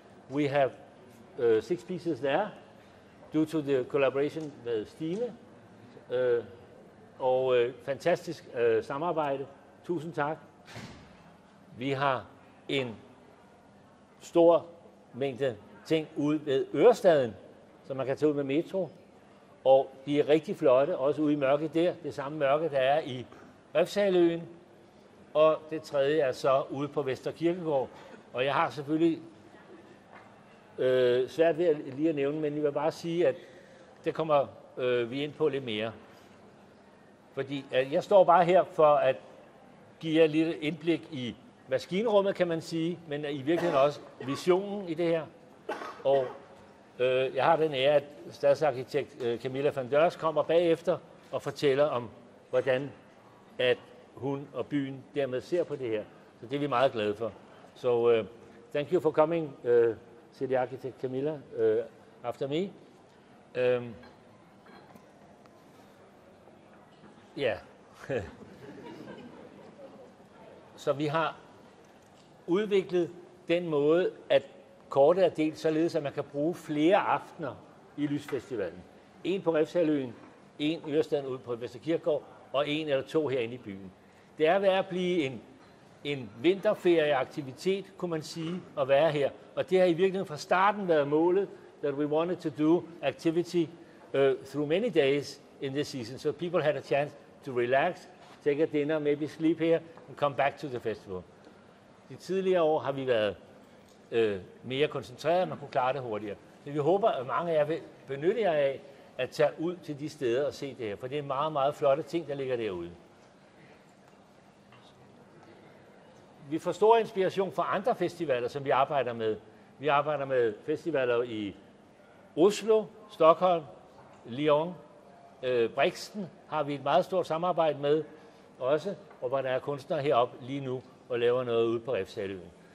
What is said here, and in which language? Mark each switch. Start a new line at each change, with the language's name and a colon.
English: We have 6 pieces there due to the collaboration with Stine.
Danish: Og fantastisk samarbejde. Tusind tak. Vi har en stor mængde ting ude ved Ørestaden, som man kan tage ud med metro. Og de er rigtig flotte, også ude i mørket der. Det samme mørke, der er i Refshaleøen. Og det tredje er så ude på Vesterkirkegård. Og jeg har selvfølgelig svært ved at lige at nævne, men jeg vil bare sige, at det kommer vi ind på lidt mere. Fordi jeg står bare her for at give jer lidt indblik i maskinrummet, kan man sige, men i virkeligheden også visionen i det her. Og jeg har den ære, at stadsarkitekt Camilla van Dørs kommer bagefter og fortæller om, hvordan at hun og byen dermed ser på det her. Så det er vi meget glade for.
English: Så thank you for coming, city architect Camilla, after me.
Danish: Ja. Så vi har udviklet den måde, at kortet er delt således, at man kan bruge flere aftener i lysfestivalen. En på Refshaleøen, en i Ørestaden ude på Vesterkirkegård, og en eller to herinde i byen. Det er ved at blive en vinterferieaktivitet, kunne man sige, at være her. Og det har i virkeligheden fra starten været målet,
English: that we wanted to do activity through many days in this season, so people had a chance to relax, take a dinner, maybe sleep here, and come back to the festival.
Danish: De tidligere år har vi været mere koncentreret, man kunne klare det hurtigere. Men vi håber, at mange af jer vil benytte jer af at tage ud til de steder og se det her, for det er meget, meget flotte ting, der ligger derude. Vi får stor inspiration fra andre festivaler, som vi arbejder med. Vi arbejder med festivaler i Oslo, Stockholm, Lyon, Brixen har vi et meget stort samarbejde med også, og hvor der er kunstnere heroppe lige nu og laver noget ude på Refshaleøen.